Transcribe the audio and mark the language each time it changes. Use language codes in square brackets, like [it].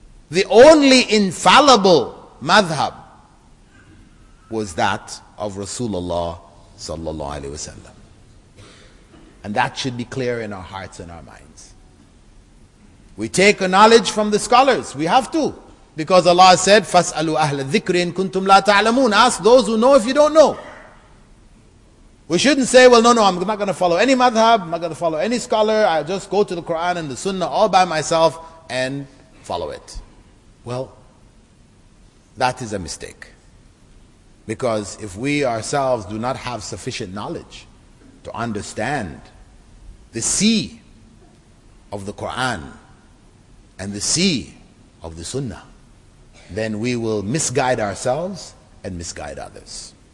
[en] The only infallible madhab was that of Rasulullah sallallahu alaihi wasallam. And that should be clear in our hearts and our minds. We take a knowledge from the scholars. We have to. Because Allah said, [ar] فَاسْأَلُوا أَهْلَ الذِّكْرِ إِن كُنْتُمْ لَا تَعْلَمُونَ. [en] Ask those who know if you don't know. We shouldn't say, well, no, I'm not going to follow any madhab, I'm not going to follow any scholar, I'll just go to the Quran and the Sunnah all by myself and follow it. Well, that is a mistake. Because if we ourselves do not have sufficient knowledge to understand the sea of the Quran and the sea of the Sunnah, then we will misguide ourselves and misguide others.